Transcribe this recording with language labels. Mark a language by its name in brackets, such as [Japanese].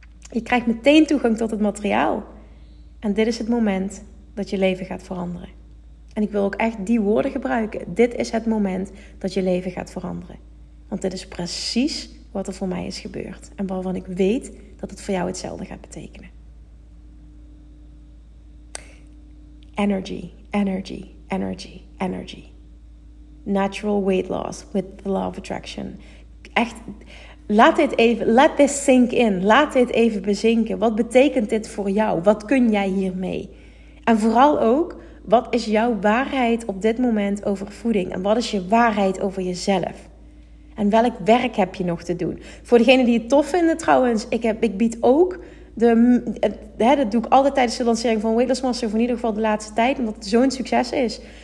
[Dutch] Je krijgt meteen toegang tot het materiaal. En dit is het moment dat je leven gaat veranderen. En ik wil ook echt die woorden gebruiken. Dit is het moment dat je leven gaat veranderen. Want dit is precies wat er voor mij is gebeurd. En waarvan ik weet dat het voor jou hetzelfde gaat betekenen. [English] Energy, energy, energy, energy. Natural weight loss with the law of attraction. [Dutch] Echt, laat dit even, [English] let this sink in. [Dutch] Laat dit even bezinken. Wat betekent dit voor jou? Wat kun jij hiermee? En vooral ook, wat is jouw waarheid op dit moment over voeding? En wat is je waarheid over jezelf? En welk werk heb je nog te doen? Voor degenen die het tof vinden trouwens, ik bied ook dat doe ik altijd tijdens de lancering van Weight Loss Master, of in ieder geval de laatste tijd, omdat het zo'n succes is.